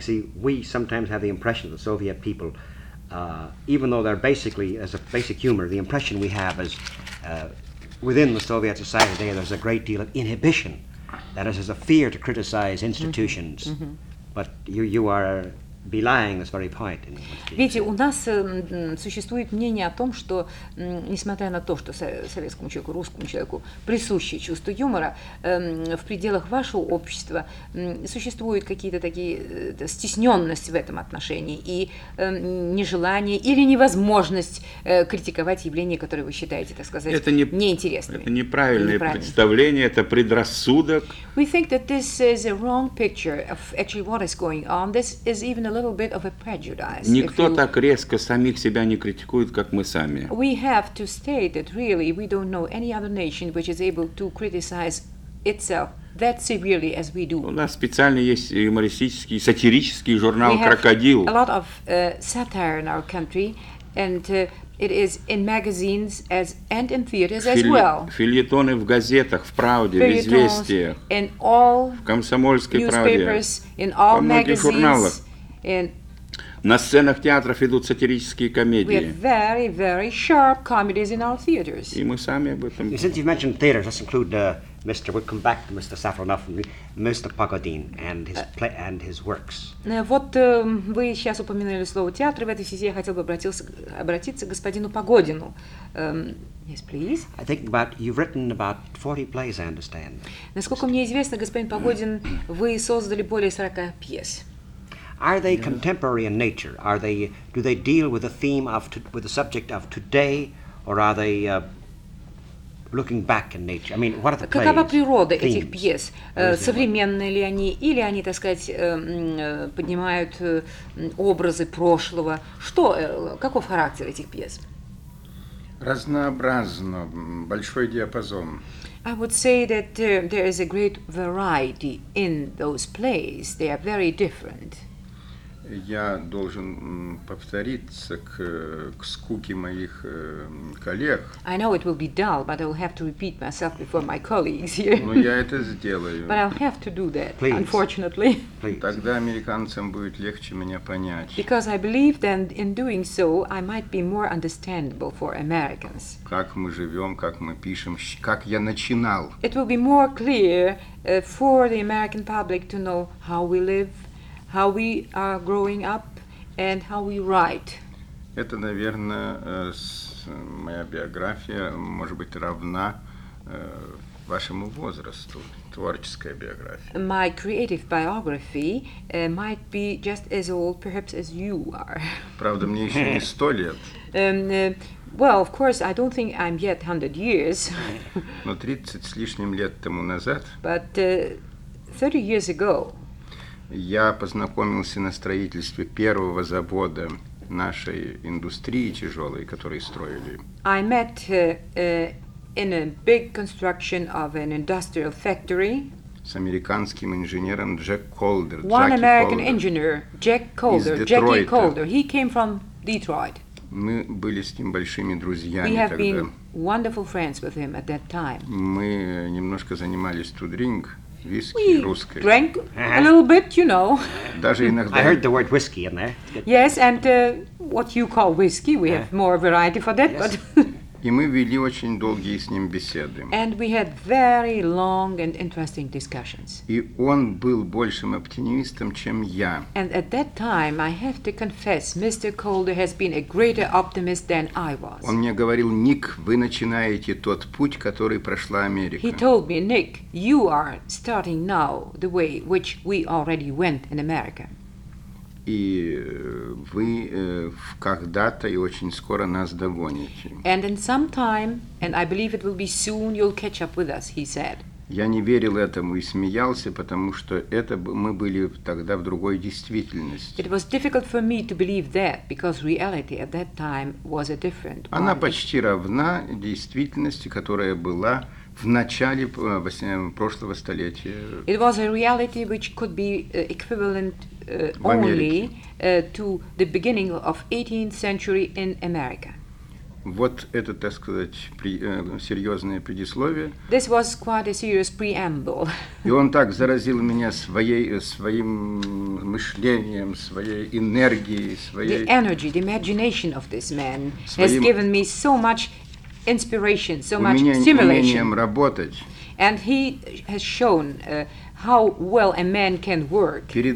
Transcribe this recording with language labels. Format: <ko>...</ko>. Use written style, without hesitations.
<en>See, we sometimes have the impression that the Soviet people, even though they're basically as a basic humor, the impression we have is within the Soviet society today, there's a great deal of inhibition. That is, there's a fear to criticize institutions. Mm-hmm. But you are belying this very point.</en> <ru>Видите, у нас существует мнение о том, что, несмотря на то, что советскому человеку, русскому человеку присуще чувство юмора, в пределах вашего общества существуют какие-то такие стесненности в этом отношении и нежелание или невозможность критиковать явления, которые вы считаете, так сказать, неинтересными. Это неправильное представление, это предрассудок.</ru> <en>We think that this is a wrong picture of actually what is going on. This is even a little bit of a prejudice.</en> <ru>Никто так резко самих себя не критикует, как мы сами.</ru> <en>We have to state that really we don't know any other nation which is able to criticize itself that severely as we do.</en> <ru>У нас специально есть юмористический, сатирический журнал «Крокодил».</ru> <en>We have a lot of satire in our country, and it is in magazines as and in theaters as well.</en> <ru>Фильетоны в газетах, в «Правде», в «Известиях»,</ru> <en>in all</en> <ru>в «Комсомольской правде»,</ru> <en>in all</en> <ru>во многих журналах.</ru> <en>And</en> <ru>на сценах театров идут сатирические комедии.</ru> <en>We have very, very sharp comedies in our theaters.</en> <ru>И мы сами об этом.</ru> <en>Since you've mentioned theaters, let's include Mr. We'll come back to Mr. Safronov, Mr. Pogodin, and his play and his works.</en> <ru>Вот вы сейчас упомянули слово театр, и в этой связи я хотел бы обратиться к господину Погодину.</ru> <en>Yes, please. I think about you've written about 40 plays, I understand.</en> <ru>Насколько мне известно, господин Погодин, вы создали более 40 пьес.</ru> <en>Are they contemporary in nature? Are they? Do they deal with the theme of with the subject of today, or are they looking back in nature? I mean, what are the plays?</en> <ru>Какова природа этих пьес? Современные ли они, или они, так сказать, поднимают образы прошлого? Что? Каков характер этих пьес? Разнообразно, большой диапазон.</ru> <en>I would say that there is a great variety in those plays. They are very different.</en> <ru>Я должен повториться к скуке моих коллег.</ru> <en>I know it will be dull, but I will have to repeat myself before my colleagues here.</en> <ru>Но я это сделаю.</ru> <en>But I'll have to do that, please. Unfortunately. Please.</en> <ru>Тогда американцам будет легче меня понять.</ru> <en>Because I believe that in doing so, I might be more understandable for Americans.</en> <ru>Как мы живем, как мы пишем, как я начинал.</ru> <en>It will be more clear for the American public to know how we live, how we are growing up, and how we write.</en> <ru>Это, наверное, моя биография может быть равна вашему возрасту, творческая биография.</ru> <en>My creative biography might be just as old, perhaps, as you are.</en> <ru>Правда, мне еще не 100 лет.</ru> <en>Well, of course, I don't think I'm yet 100 years.</en> <ru>Но 30 с лишним лет тому назад.</ru> <en>But 30 years ago.</en> <ru>Я познакомился на строительстве первого завода нашей индустрии тяжелой, который строили.</ru> <en>I met in a big construction of an industrial factory.</en> <ru>С американским инженером Джек Колдер.</ru> <en>One American engineer, Jack Colder, Jackie Colder. He came from Detroit.</en> <ru>Мы были с ним большими друзьями тогда.</ru> <en>We have been wonderful friends with him at that time.</en> <ru>Мы немножко занимались</ru> <en>to drink.</en> <ru>Виски,</ru> <en>we</en> <ru>русской.</ru> <en>Drank a little bit, you know.</en> <ru>Даже иногда.</ru> <en>I heard the word whiskey in there. Yes, and what you call whiskey, we have more variety for that. Yes. But.</en> <ru>И мы вели очень долгие с ним беседы.</ru> <en>And we had very long and interesting discussions.</en> <ru>И он был большим оптимистом, чем я.</ru> <en>And at that time, I have to confess, Mr. Colder has been a greater optimist than I was.</en> <ru>Он мне говорил: «Ник, вы начинаете тот путь, который прошла Америка».</ru> <en>He told me, Nick, you are starting now the way which we already went in America.</en> <ru>И вы когда-то и очень скоро нас догоните.</ru> <en>And in some time, and I believe it will be soon, you'll catch up with us, he said.</en> <ru>Я не верил этому и смеялся, потому что это мы были тогда в другой действительности.</ru> <en>It was difficult for me to believe that, because reality at that time was a different one.</en> <ru>Она почти равна действительности, которая была в начале прошлого столетия.</ru> <en>It was a reality which could be equivalent only to the beginning of 18th century in America.</en> <ru>Вот это, так сказать, серьезное предисловие.</ru> <en>This was quite a serious preamble.</en> <ru>И он так заразил меня своим мышлением, своей энергией, своей.</ru> <en>The energy, the imagination of this man has given me so much inspiration, so much stimulation. And he has shown how well a man can work.</en>